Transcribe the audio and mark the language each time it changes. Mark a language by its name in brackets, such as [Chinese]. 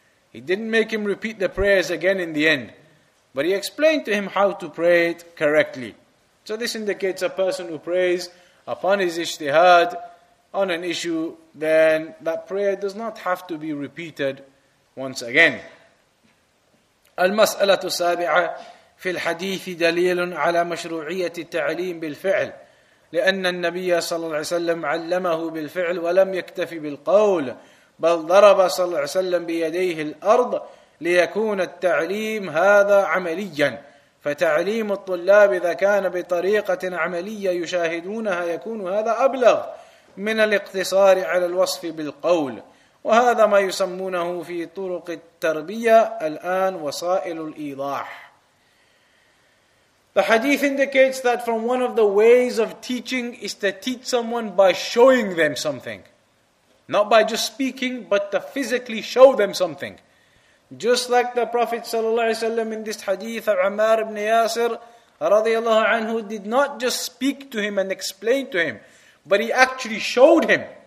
[English] He didn't make him repeat the prayers again in the end. But he explained to him how to pray it correctly. So this indicates a person who prays upon his ijtihad on an issue, then that prayer does not have to be repeated once again. [Arabic] المسألة السابعة في الحديث دليل على مشروعية التعليم بالفعل لأن النبي صلى الله عليه وسلم علمه بالفعل ولم يكتفي بالقول بل ضرب صلى الله عليه وسلم بيديه الأرض ليكون التعليم هذا عمليا فتعليم الطلاب إذا كان بطريقة عملية يشاهدونها يكون هذا أبلغ من الاقتصار على الوصف بالقول وهذا ما يسمونه في طرق التربية الآن وسائل الإيضاح. [English] The hadith indicates that from one of the ways of teaching is to teach someone by showing them something. Not by just speaking, but to physically show them something. Just like the Prophet ﷺ in this hadith of Umar ibn Yasir radiallahu anhu did not just speak to him and explain to him, but he actually showed him.